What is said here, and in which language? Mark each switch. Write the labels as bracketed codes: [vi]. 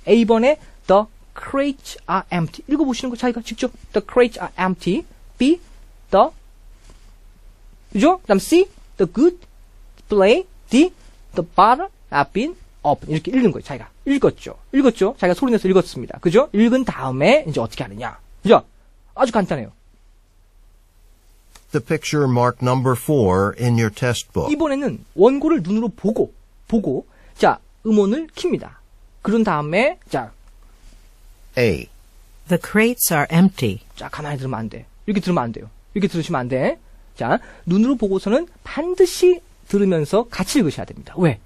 [ko] A번에 [en] the crates are empty. [ko] 읽어보시는 거 자기가 직접 [en] the crates are empty. B, the, [ko] 그죠? 그 다음 [en] C, the good display. D, the bottle have been opened. [ko] 이렇게 읽는 거예요, 자기가. 읽었죠? 읽었죠? 자기가 소리내서 읽었습니다. 그죠? 읽은 다음에 이제 어떻게 하느냐. 그죠? 아주 간단해요. [en] The picture mark number 4 in your test book. [ko] 이번에는 원고를 눈으로 보고, 자, 음원을 킵니다. 그런 다음에, 자. [en] A. The crates are empty. [ko] 자, 가만히 들으면 안 돼. 이렇게 들으면 안 돼요. 이렇게 들으시면 안 돼. 자, 눈으로 보고서는 반드시 들으면서 같이 읽으셔야 됩니다. 왜?